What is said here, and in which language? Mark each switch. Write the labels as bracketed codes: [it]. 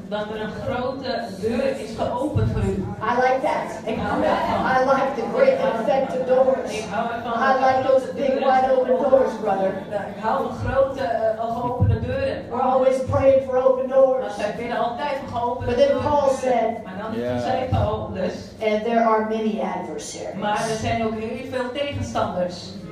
[nl] Dat er een grote deur is geopend voor u. [en] I like that. I like the great and effective doors. I like those big wide open doors, brother. [nl] Ik hou van grote geopende deuren. [en] We're always praying for open doors. [nl] Wij bidden altijd voor geopende deuren. [en] But then Paul said. [nl] Maar dan zei Paul dus. [en] And there are many adversaries. [nl] Maar er zijn ook heel veel tegenstanders.